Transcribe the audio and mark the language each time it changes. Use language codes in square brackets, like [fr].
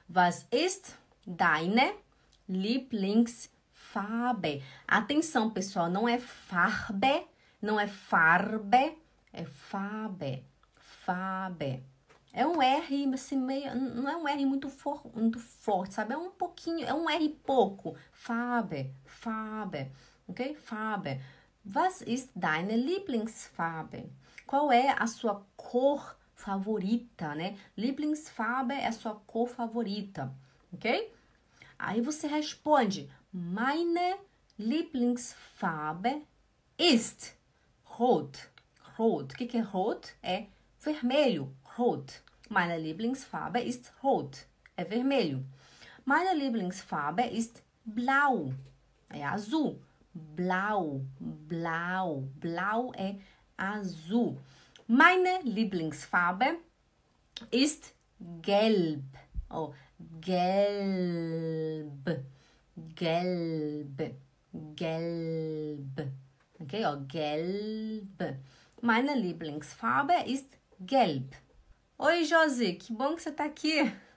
[de] Was ist deine Lieblingsfarbe? [pt] Atenção, pessoal. Não é Farbe, não é Farbe, é Farbe. Farbe. É um R, assim, meio, não é um R muito forte, sabe? É um pouquinho, é um R pouco. Farbe, Farbe, ok? Farbe. [de] Was ist deine Lieblingsfarbe? [pt] Qual é a sua cor favorita, né? Lieblingsfarbe é a sua cor favorita, ok? Aí você responde: [de] Meine Lieblingsfarbe ist rot. [pt] Rot. O que que é rot? É vermelho. Rot. [de] Meine Lieblingsfarbe ist rot. [pt] É vermelho. [de] Meine Lieblingsfarbe ist blau. [pt] É azul. Blau. Blau. Blau é azul. [de] Meine Lieblingsfarbe ist gelb. Oh, gelb. Gelb. Gelb. Okay, oh, gelb. Meine Lieblingsfarbe ist gelb. [pt] Oi, Josi, que bom que você tá aqui.